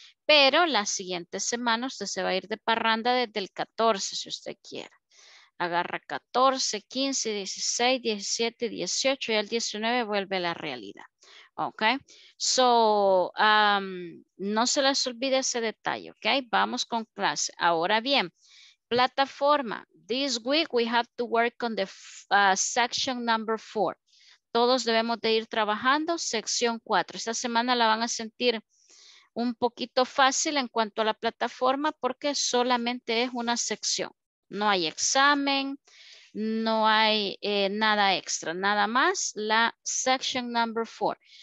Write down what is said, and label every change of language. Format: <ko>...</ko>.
<es>Pero la siguiente semana usted se va a ir de parranda desde el 14, si usted quiere. Agarra 14, 15, 16, 17, 18 y el 19 vuelve a la realidad. ¿Ok? So, no se les olvide ese detalle, ¿ok? Vamos con clase. Ahora bien, plataforma.</es> <en>This week we have to work on the section number 4.</en> <es>Todos debemos de ir trabajando sección 4. Esta semana la van a sentir un poquito fácil en cuanto a la plataforma porque solamente es una sección. No hay examen, no hay nada extra, nada más la</es> <en>section number 4.</en>